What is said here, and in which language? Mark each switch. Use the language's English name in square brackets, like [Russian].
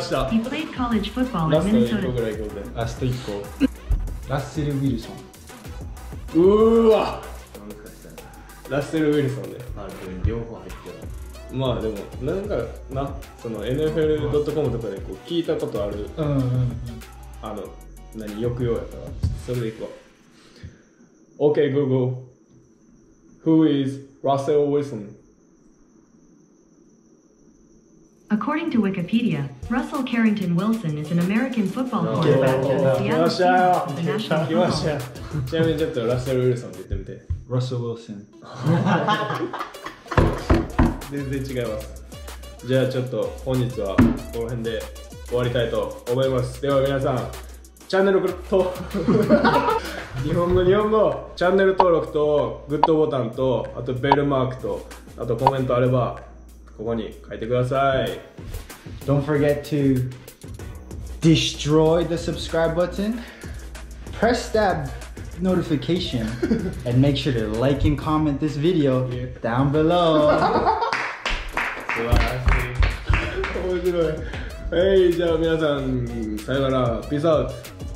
[English] He played college football at Minnesota. Last one, go. Last one. ラッセル・ウィルソン。 [Japanese] うーわ、ラッセル・ウィルソンで、まあ、両方入ってる。まあでもなんかな、その NFL.com とかでこう聞いたことある、うんうんうん、あの何抑揚やから、それでいこう。 [English] OK Google Who is Russell Wilson According to Wikipedia, Russell Carrington Wilson is an American football quarterback for the Seattle Seahawks. [Japanese] ちなみにちょっとラッセル・ウィルソンって言ってみて。ラッセル・ウィルソン。全然違います。じゃあちょっと本日はこの辺で終わりたいと思います。では皆さん、チャンネル登録と日本語日本語チャンネル登録とグッドボタンと、あとベルマークと、あとコメントあれば。ここに書いてください。 [English] Don't forget to destroy the subscribe button. Press that notification and make sure to like and comment this video down below. [Japanese] 素晴らしい。面白い。はい、じゃあ皆さん、さよなら。 [English] Peace out.